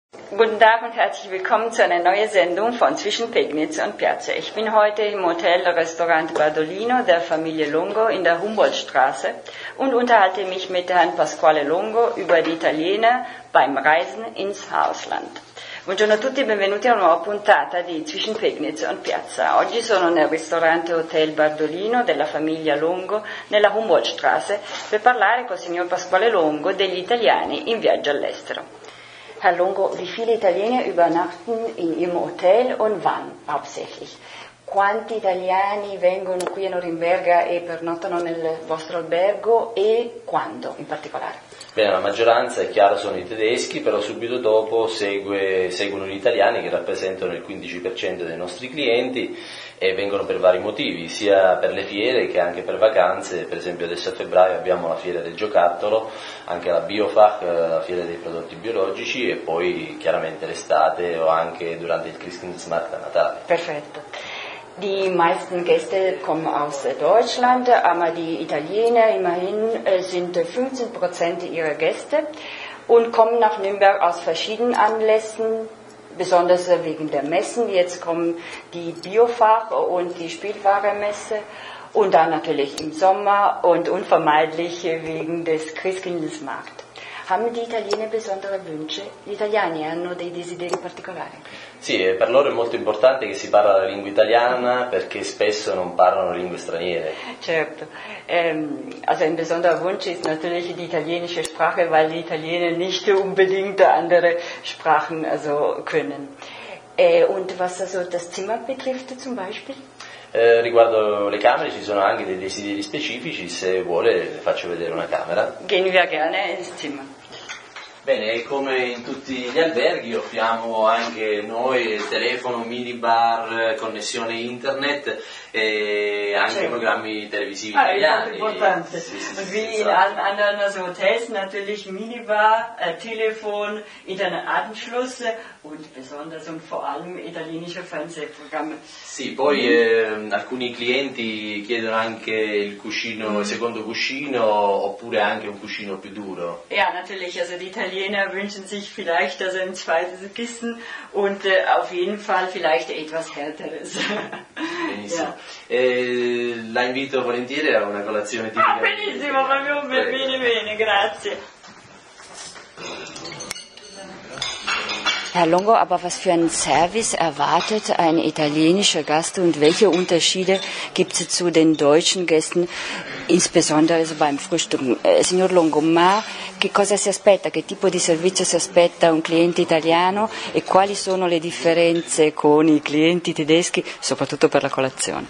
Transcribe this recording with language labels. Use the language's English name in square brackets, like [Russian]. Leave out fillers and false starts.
[German] Guten Tag und herzlich willkommen zu einer neuen Sendung von Zwischen Pegnitz und Piazza. Ich bin heute im Hotel-Restaurant Badolino der Familie Longo in der Humboldtstraße und unterhalte mich mit Herrn Pasquale Longo über die Italiener beim Reisen ins Ausland. [Italian] Buongiorno a tutti, benvenuti a una nuova puntata di Zwischen Pegnitz und Piazza. Oggi sono nel ristorante Hotel Badolino della famiglia Longo nella Humboldtstraße per parlare col signor Pasquale Longo degli italiani in viaggio all'estero. [German] Herr Longo, wie viele Italiener übernachten in Ihrem Hotel und wann hauptsächlich? [Italian] Quanti italiani vengono qui a Norimberga e pernottano nel vostro albergo e quando in particolare? Bene, la maggioranza è chiaro sono i tedeschi, però subito dopo seguono gli italiani che rappresentano il 15% dei nostri clienti e vengono per vari motivi, sia per le fiere che anche per vacanze. Per esempio adesso a febbraio abbiamo la fiera del giocattolo, anche la Biofach, la fiera dei prodotti biologici e poi chiaramente l'estate o anche durante il Christmas a Natale. Perfetto. [German] Die meisten Gäste kommen aus Deutschland, aber die Italiener immerhin sind 15% ihrer Gäste und kommen nach Nürnberg aus verschiedenen Anlässen, besonders wegen der Messen. Jetzt kommen die Biofach und die Spielwarenmesse und dann natürlich im Sommer und unvermeidlich wegen des Christkindlesmarkt. Haben die Italiener besondere Wünsche? [Italian] Gli italiani hanno dei desideri particolari? Sì, per loro è molto importante che si parla la lingua italiana perché spesso non parlano lingue straniere. [German] Certo, also ein besonderer Wunsch ist natürlich die italienische Sprache, weil die Italiener nicht unbedingt andere Sprachen also können. Und was also das Zimmer betrifft zum Beispiel? [Italian] Riguardo le camere ci sono anche dei desideri specifici, se vuole le faccio vedere una camera. [German] Gehen wir gerne ins Zimmer. [Italian] Bene, come in tutti gli alberghi offriamo anche noi telefono, minibar, connessione internet e anche certo. Programmi televisivi italiani. Ah, è molto importante. [German] Wie in anderen Hotels natürlich Minibar, Telefon, Internetanschluss und besonders und vor allem italienische Fernsehprogramme. [Italian] Sì, poi alcuni clienti chiedono anche il cuscino, il secondo cuscino oppure anche un cuscino più duro. [German] Ja, natürlich, also die Italiener wünschen sich vielleicht also ein zweites Kissen und auf jeden Fall vielleicht etwas härteres. [Italian] Benissimo. Ja. La invito volentieri a una colazione tipica. Ah, benissimo, va bene, bene, bene, grazie. [German] Herr Longo, aber was für einen Service erwartet ein italienischer Gast und welche Unterschiede gibt es zu den deutschen Gästen, insbesondere beim Frühstücken? [Italian] Signor Longo, ma che cosa si aspetta, che tipo di servizio si aspetta un cliente italiano e quali sono le differenze con i clienti tedeschi, soprattutto per la colazione?